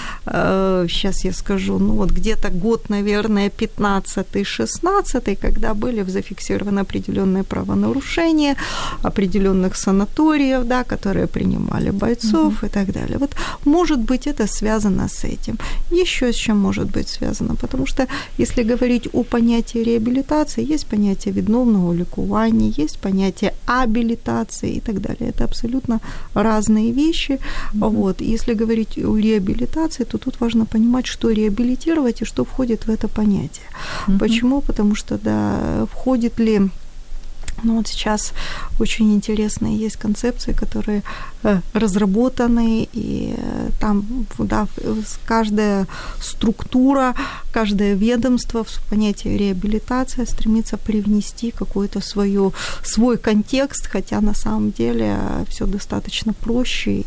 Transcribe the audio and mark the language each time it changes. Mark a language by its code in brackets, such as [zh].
[ru] Сейчас я скажу, ну вот где-то год, наверное, 15-16, когда были зафиксированы определенные правонарушения определенных санаториев, да, которые принимали бойцов и так далее. Вот может быть это связано с этим. Еще с чем может быть связано? Потому что если говорить о понятии реабилитации, есть понятие [uk] відновного лікування, є поняття абілітації і так далі. Це абсолютно різні речі. Вот. Якщо говорити о реабілітації, то тут [ru] важно понимать, [uk] що реабілітувати і що входить в це поняття. Чому? Тому що, да, [ru] входить ли Ну вот сейчас очень интересные есть концепции, которые разработаны, и там, да, каждая структура, каждое ведомство в понятие реабилитация стремится привнести какой-то свой контекст, хотя на самом деле все достаточно проще.